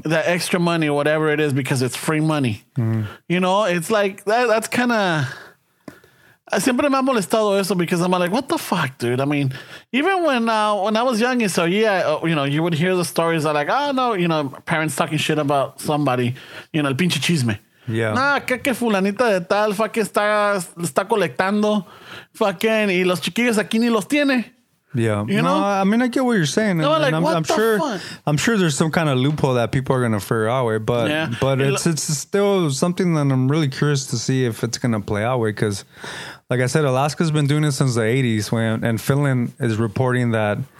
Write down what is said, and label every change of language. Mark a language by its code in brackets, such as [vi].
[en] That extra money, whatever it is, because it's free money. Mm. You know, it's like, that's kind of... [es] Siempre me ha molestado eso [en] because I'm like, what the fuck, dude? I mean, even when I was young, so yeah, you know, you would hear the stories of like, oh, no, you know, parents talking shit about somebody, you know, [es] el pinche chisme. [en] Yeah. [es] Nah, que fulanita de tal fucking está colectando fucking y los chiquillos aquí ni los tiene. [en] Yeah, you know, no, I mean, I get what you're saying. No, and like, I'm sure there's some kind of loophole that people are going to figure out with, but it's still something that I'm really curious to see if it's going to play out with. Because, like I said, Alaska's been doing it since the 80s, and Finland is reporting that.